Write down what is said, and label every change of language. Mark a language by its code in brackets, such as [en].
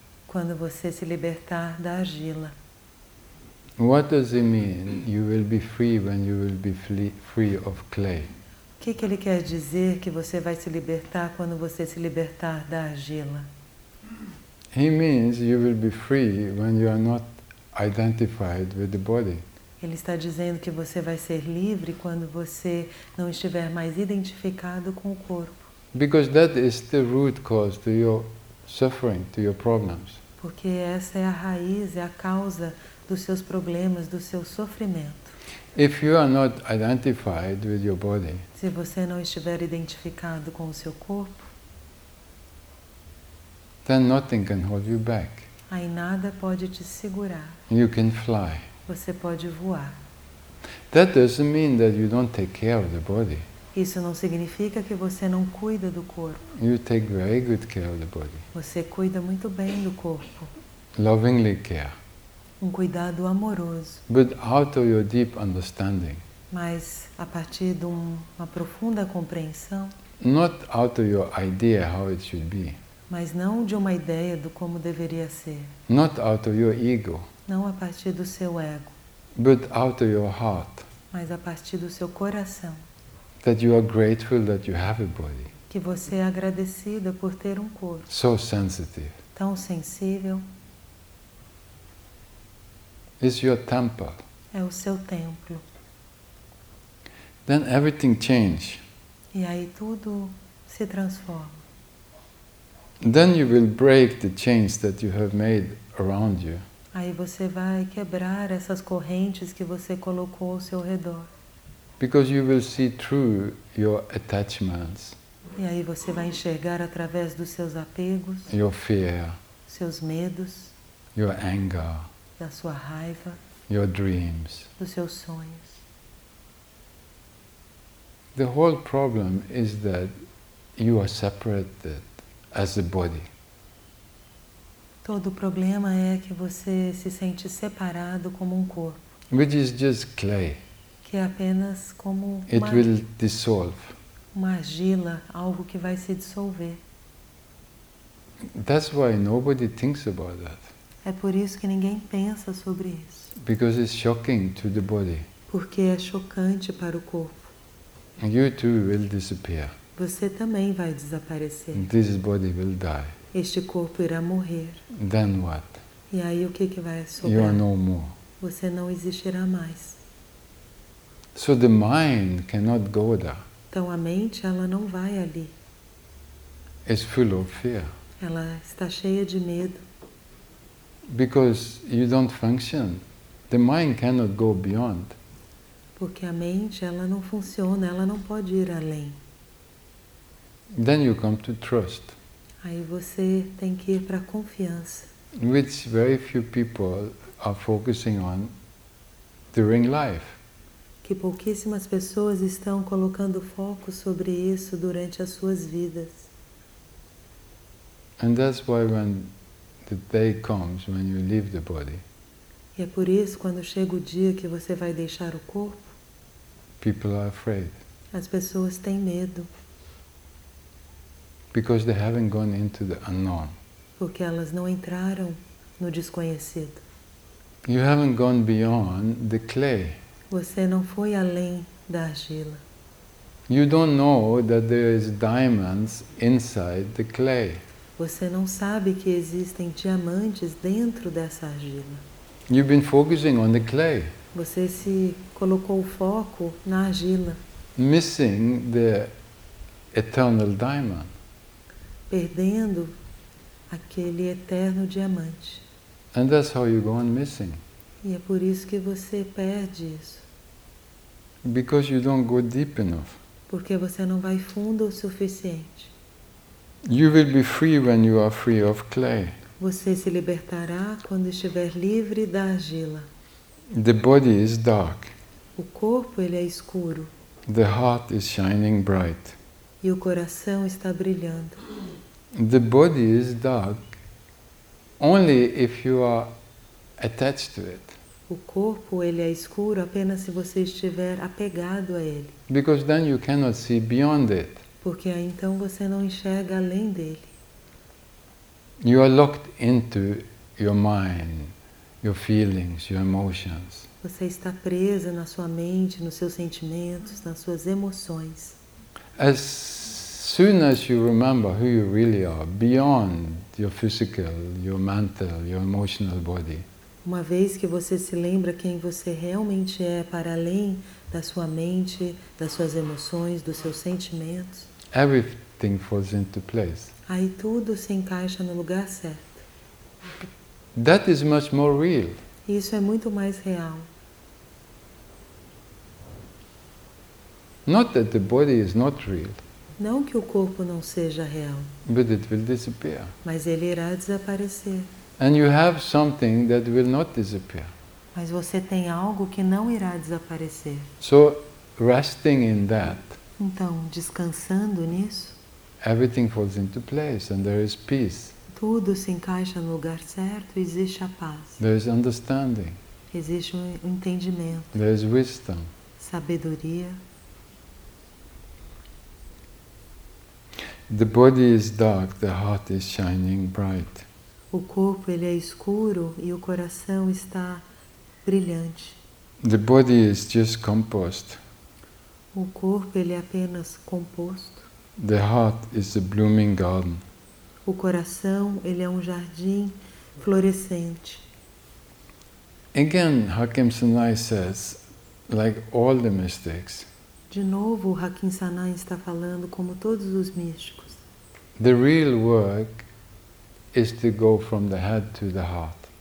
[pt] Quando você se libertar da argila. [en] What does it mean you will be free when you will be free of clay? [pt] O que ele quer dizer que você vai se libertar quando você se libertar da argila? [en] He means you will be free when you are not identified with the body. [pt] Ele está dizendo que você vai ser livre quando você não estiver mais identificado com o corpo. [en] Because that is the root cause to your suffering, to your problems. [pt] Porque essa é a raiz, é a causa dos seus problemas, do seu sofrimento. [en] If you are not identified with your body, [pt] se você não estiver identificado com o seu corpo, [en] then nothing can hold you back. [pt] Aí nada pode te segurar. [en] You can fly. [pt] Você pode voar. [en] That doesn't mean that you don't take care of the body. [pt] Isso não significa que você não cuida do corpo. [en] You take very good care of the body. [pt] Você cuida muito bem do corpo. [en] Lovingly care. [pt] um cuidado amoroso. [en] But out of your deep understanding. [pt] Mas a partir de uma profunda compreensão. [en] Not out of your idea how it should be. [pt] Mas não de uma ideia do como deveria ser. [en] Not out of your ego. [pt] Não a partir do seu ego. [en] But out of your heart. [pt] Mas a partir do seu coração. [en] That you are grateful that you have a body. [pt] Que você é agradecida por ter um corpo. [en] So sensitive. [pt] Tão sensível. [en] It's your temple. [pt] É o seu templo. [en] Then everything changes. [pt] E aí tudo se transforma. [en] Then you will break the chains that you have made around you. [pt] Aí você vai quebrar essas correntes que você colocou ao seu redor. [en] Because you will see through your attachments. [pt] E aí você vai enxergar através dos seus apegos. [en] Your fear. [pt] Seus medos. [en] Your anger. [pt] Da sua raiva. [en] Your dreams. [pt] Dos seus sonhos. [en] The whole problem is that you are separated as a body. [pt] Todo o problema é que você se sente separado como um corpo. [en] Which is just clay. [pt] Que é apenas como [en] it will dissolve. [pt] Uma argila, algo que vai se dissolver. [en] That's why nobody thinks about that. [pt] É por isso que ninguém pensa sobre isso. [en] Because it's shocking to the body. [pt] Porque é chocante para o corpo. [en] You too will disappear. [pt] Você também vai desaparecer. [en] This body will die. [pt] Este corpo irá morrer. [en] Then what? [pt] E aí o que que vai sobrar? [en] You are no more. [pt] Você não existirá mais. [en] So the mind cannot go there. [pt] Então a mente, ela não vai ali. [en] It's full of fear. [pt] Ela está cheia de medo. [en] Because you don't function. The mind cannot go beyond. [pt] Porque a mente, ela não funciona, ela não pode ir além. [en] Then you come to trust. [pt] Aí você tem que ir para a confiança. [en] Which very few people are focusing on during life. [pt] Que pouquíssimas pessoas estão colocando foco sobre isso durante as suas vidas. [en] And that's why when the day comes when you leave the body. [pt] E é por isso quando chega o dia que você vai deixar o corpo. [en] People are afraid. [pt] As pessoas têm medo. [en] Because they haven't gone into the unknown. [pt] Porque elas não entraram no desconhecido. [en] You haven't gone beyond the clay. [pt] Você não foi além da argila. [en] You don't know that there is diamonds inside the clay. [pt] Você não sabe que existem diamantes dentro dessa argila. [en] You've been focusing on the clay. [pt] Você se colocou o foco na argila. [en] Missing the eternal diamond. [pt] Perdendo aquele eterno diamante. [en] And that's how you go on missing. [pt] E é por isso que você perde isso. [en] Because you don't go deep enough. [pt] Porque você não vai fundo o suficiente. [en] You will be free when you are free of clay. [pt] Você se libertará quando estiver livre da argila. [en] The body is dark. [pt] O corpo, ele é escuro. [en] The heart is shining bright. [pt] E o coração está brilhando. [en] The body is dark only if you are attached to it. [pt] O corpo, ele é escuro apenas se você estiver apegado a ele. [en] Because then you cannot see beyond it. [pt] Porque aí então você não enxerga além dele. [en] You are locked into your mind, your feelings, your emotions. [pt] Você está presa na sua mente, nos seus sentimentos, nas suas emoções. [en] As soon as you remember who you really are, beyond your physical, your mental, your emotional body. [pt] Uma vez que você se lembra quem você realmente é para além da sua mente, das suas emoções, dos seus sentimentos. [en] Everything falls into place. [pt] Aí tudo se encaixa no lugar certo. [en] That is much more real. [pt] Isso é muito mais real. [en] Not that the body is not real. [pt] Não que o corpo não seja real. [en] But it will disappear. [pt] Mas ele irá desaparecer. [en] And you have something that will not disappear. [pt] Mas você tem algo que não irá desaparecer. [en] So, resting in that. [pt] Então, descansando nisso. [en] Everything falls into place and there is peace. [pt] tudo se encaixa no lugar certo, existe a paz. [en] There is understanding. [pt] Existe um entendimento. [en] There is wisdom. [pt] Sabedoria. [en] The body is dark, the heart is shining bright. [pt] O corpo ele é escuro e o coração está brilhante. [en] The body is just composed. [pt] O corpo ele é apenas composto. [en] The heart is a blooming garden. [pt] O coração ele é um jardim florescente. [en] Again, Hakim Sanai says, like all the mystics. [pt] De novo, Hakim Sanai está falando como todos os místicos. [en] The real work is to go from the head to the heart.